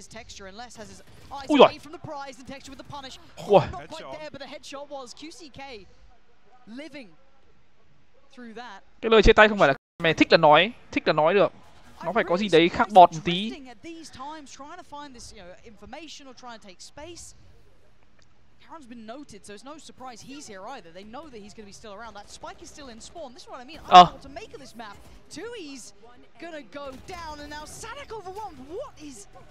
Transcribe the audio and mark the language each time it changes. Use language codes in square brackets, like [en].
[en] It is Texture, unless has his eyes away from the prize and Texture with the punish. Not quite there, but the headshot was QCK living through that. [vi] Cái lời chia tay không phải là mẹ thích là nói được. Nó phải có gì đấy khác bọt một tí. [en] At these times, trying to find this, you know, information or trying to take space. Karen's been noted, so it's no surprise he's here either. They know that he's gonna be still around. That spike is still in spawn. This is what I mean. I don't know what to make of this map. Tui's gonna go down, and now Sadak overwhelmed. What is?